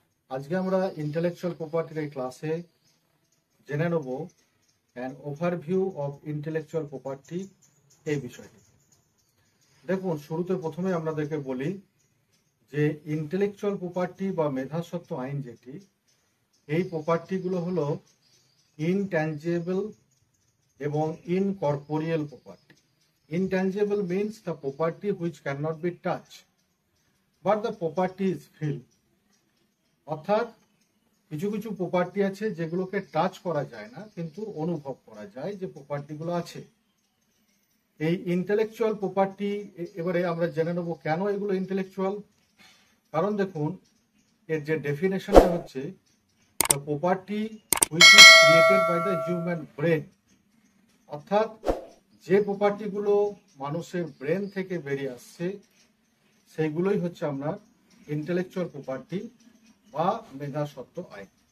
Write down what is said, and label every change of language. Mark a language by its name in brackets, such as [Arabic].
[Bangla] আজকে আমরা ইন্টেলেকচুয়াল প্রপার্টির এই ক্লাসে জেনে নেব [English] an overview of intellectual property [Bangla] এই বিষয়টি। দেখুন, শুরুতে প্রথমে আমাদেরকে বলি যে ইন্টেলেকচুয়াল প্রপার্টি বা মেধা স্বত্ব আইন যেটি, এই প্রপার্টিগুলো হলো ইনট্যাঞ্জিবল এবং ইনকর্পোরিয়াল property. [English] Intangible means the property which cannot be touched, but the property is feel. [Bangla] অর্থাৎ কিছু কিছু প্রপার্টি আছে যেগুলোকে টাচ করা যায় না, কিন্তু অনুভব করা যায় যে প্রপার্টিগুলো আছে। এই ইন্টেলেকচুয়াল প্রপার্টি, এবারে আমরা জেনে নেব কেন এগুলো ইন্টেলেকচুয়াল। কারণ দেখুন, এর যে ডেফিনেশনটা হচ্ছে [English] the property which is created by the human brain, [Bangla] অর্থাৎ যে প্রপার্টি গুলো মানুষের ব্রেন থেকে বেরিয়ে আসছে সেইগুলোই হচ্ছে আমরা ইন্টেলেকচুয়াল প্রপার্টি বা মেধা স্বত্ব আইন।